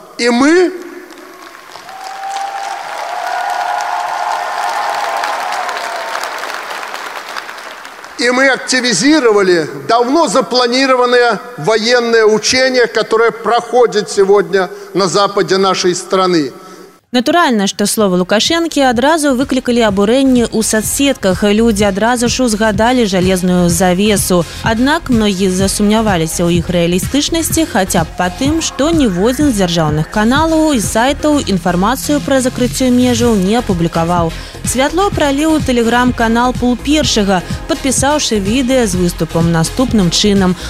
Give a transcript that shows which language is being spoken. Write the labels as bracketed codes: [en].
[ru] И мы активизировали давно запланированное военное учение, которое проходит сегодня на западе нашей страны. [be] Натуральна, што словы Лукашэнкі адразу выклікалі абурэнне ў соцсетках. Людзі адразу ж узгадалі жалезную завесу. Аднак многія засумняваліся ў іх рэалістычнасці, хаця б па тым, што ніводзін з дзяржаўных каналаў і сайтаў інфармацыю пра закрыццё межаў не апублікаваў. Святло праліў тэлеграм-канал «Пул першага», падпісаўшы відэа з выступам наступным чынам.